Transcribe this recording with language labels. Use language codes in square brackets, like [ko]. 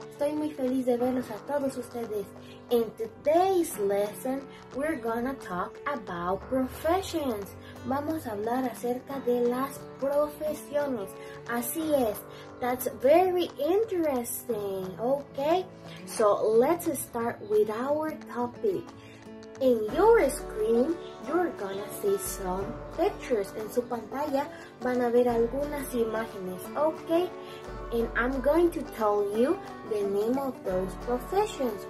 [es] Estoy muy feliz de verlos a todos ustedes. [en] In today's lesson, we're gonna talk about professions. [es] Vamos a hablar acerca de las profesiones. Así es. [en] That's very interesting. Okay? So, let's start with our topic. In your screen, you're gonna see some pictures. [es] En su pantalla van a ver algunas imágenes. [en] Okay? And I'm going to tell you the name of those professions.